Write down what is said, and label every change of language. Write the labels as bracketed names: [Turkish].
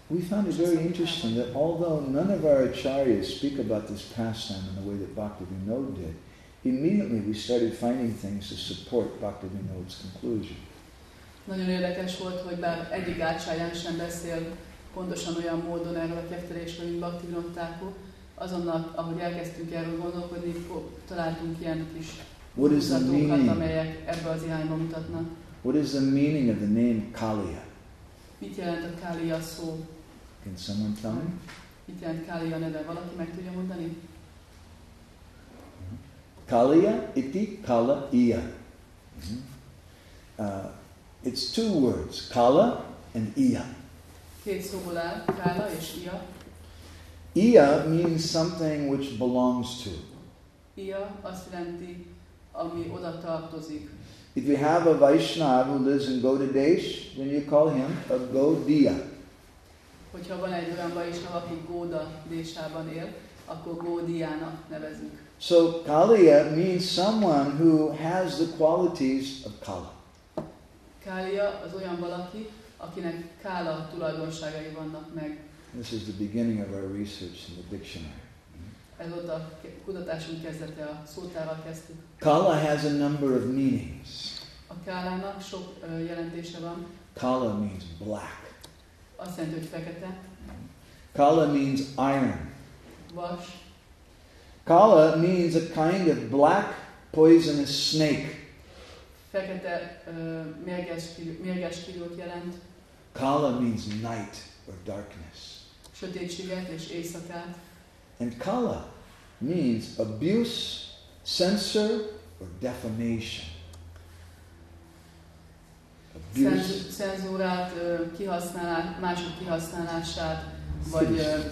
[English] We found it very interesting that although none of our acharyas speak about this pastime in the way that Bhaktivinoda did, immediately we started finding things to support Bhaktivinoda's conclusion. [Hungarian] Nagyon érdekes volt, hogy bár egyik acharyán sem beszél pontosan olyan módon erről a kettelésről, mint Bhaktivinoda, azonnal, ahogy elkezdtünk erről gondolkodni, találtunk ilyen kis mutatókat, amelyek ebbe az irányba mutatnak. [English] What is the meaning of the name Kaliya? [Hungarian] Mit jelent a Kaliya szó? [English] Can someone tell me? [Hungarian] Mit jelent Kaliya neve? Valaki meg tudja mondani? [Sanskrit] Kaliya iti Kala-iya. [English] It's two words, Kala and Iya. [Hungarian] Két szóból áll, Kala és Iya. [English] Iya means something which belongs to. [Hungarian] Iya azt jelenti, ami oda tartozik. [English] If you have a Vaishnava who lives in Gaudadesh, then you call him a Gaudiya. [Hungarian] Hogyha van egy olyan Vaishnava, aki Gaudadesh-ában él, akkor Gaudiyának nevezünk. [English] So Kaliya means someone who has the qualities of Kala. [Hungarian] Kaliya az olyan valaki, akinek Kala tulajdonságai vannak meg. [English] This is the beginning of our research in the dictionary. [Hungarian] Ez volt a kutatásunk kezdete, a szótárral kezdtük. [English] Kala has a number of meanings. [Hungarian] A kálának sok jelentése van. [English] Kala means black. [Hungarian] Azt jelenti, hogy fekete. [English] Kala means iron. [Hungarian] Vas. [English] Kala means a kind of black poisonous snake. [Hungarian] Fekete mérges kígyót jelent. [English] Kala means night or darkness. [Hungarian] Sötétséget és éjszakát. [English] And Kala means abuse, censor, or defamation. Abuse. [Hungarian] Cenzúrát, kihasználás, mások kihasználását, vagy...